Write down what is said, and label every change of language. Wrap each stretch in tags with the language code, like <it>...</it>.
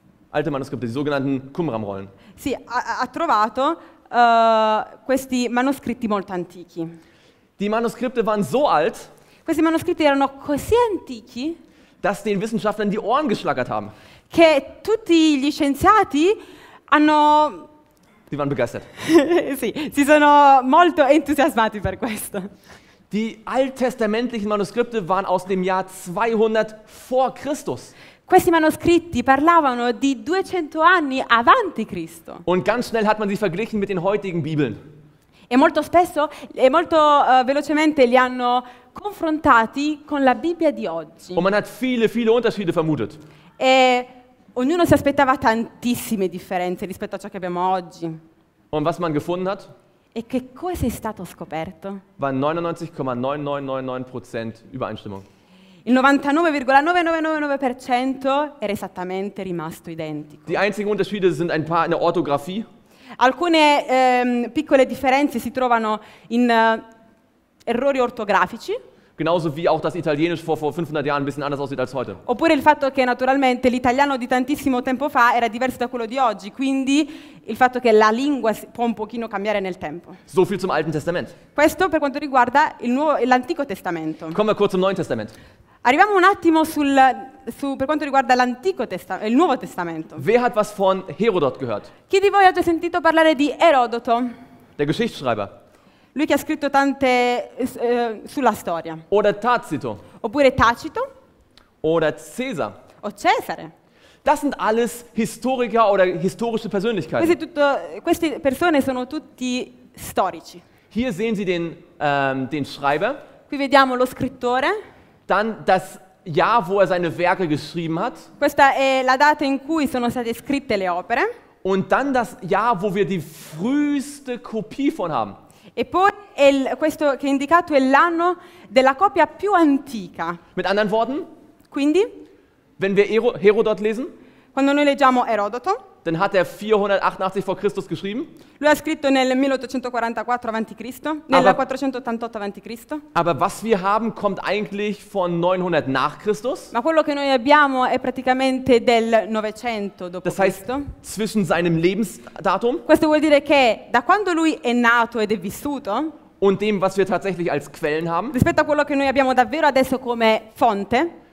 <de>alte manoscritte, die sogenannten Qumran-Rollen.</de> <it>Sì, ha trovato questi manoscritti molto antichi.</it> <de>Die Manuskripte waren so alt.</de> <it>Questi manoscritti erano così antichi,</it> <de>dass den Wissenschaftlern die Ohren geschlackert haben.</de> <it>Che tutti gli scienziati hanno.</it> <de>Die waren begeistert.</de> <it>Sì, si sono molto entusiasmati per questo.</it> <de>Die alttestamentlichen Manuskripte waren aus dem Jahr 200 vor Christus.</de> <it>Questi manoscritti parlavano di 200 anni avanti Cristo.</it> <de>Und ganz schnell hat man sie verglichen mit den heutigen Bibeln.</de> <it>E molto spesso e molto velocemente li hanno confrontati con la Bibbia di oggi.</it> <de>Und man hat viele, viele Unterschiede vermutet.</de> <it>E ognuno si aspettava tantissime differenze rispetto a ciò che abbiamo oggi.</it> <de>Und was man gefunden hat?</de> <it>E che cosa è stato scoperto?</it> <de>War 99,9999% Übereinstimmung.</de> <it>Il 99,9999% era esattamente rimasto identico.</it> <de>Die einzigen Unterschiede sind ein paar in der Orthographie.</de> <it>Alcune piccole differenze si trovano in errori ortografici.</it> <de>Genauso wie auch das Italienisch vor 500 Jahren ein bisschen anders aussieht als heute.</de> <it>Oppure il fatto che naturalmente l'italiano di tantissimo tempo fa era diverso da quello di oggi, quindi il fatto che la lingua può un pochino cambiare nel tempo.</it> <de>So viel zum Alten Testament.</de> <it>Questo per quanto riguarda l'Antico Testamento.</it> <de>Kommen wir kurz zum Neuen Testament.</de> <it>Arriviamo un attimo per quanto riguarda l'Antico Testamento, il Nuovo Testamento.</it> <de>Wer hat was von Herodot gehört?</de> <it>Chi di voi ha già sentito parlare di Erodoto?</it> <de>Der Geschichtsschreiber.</de> <it>Lui che ha scritto tante sulla storia.</it> <de>Oder Tacito.</de> <it>Oppure Tacito.</it> <de>Oder Cesar.</de> <it>O Cesare.</it> <de>Das sind alles Historiker oder historische Persönlichkeiten.</de> <it>Queste persone sono tutti storici.</it> <de>Hier sehen Sie den Schreiber.</de> <it>Qui vediamo lo scrittore.</it> <de>Dann das Jahr, wo er seine Werke geschrieben hat.</de> <it>Questa è la data in cui sono state scritte le opere.</it> <de>Und dann das Jahr, wo wir die früheste Kopie von haben.</de> <it>E poi questo che è indicato è l'anno della copia più antica.</it> <de>Mit anderen Worten?</de> <it>Quindi?</it> <de>Wenn wir Herodot lesen?</de> <it>Quando noi leggiamo Erodoto?</it> <de>Dann hat er 488 vor Christus geschrieben?</de> <it>Lui ha scritto nel 1844 avanti Cristo, nel 488 avanti Cristo.</it> <de>Aber was wir haben kommt eigentlich von 900 nach Christus?</de> <it>Ma quello che noi abbiamo è praticamente del 900 dopo</it> <de>Cristo. Das heißt zwischen seinem Lebensdatum?</de> <it>Questo vuol dire che da quando lui è nato ed è vissuto?</it> <de>Und dem was wir tatsächlich als Quellen haben?</de> <it>Rispetto a quello che noi abbiamo davvero adesso come fonte?</it>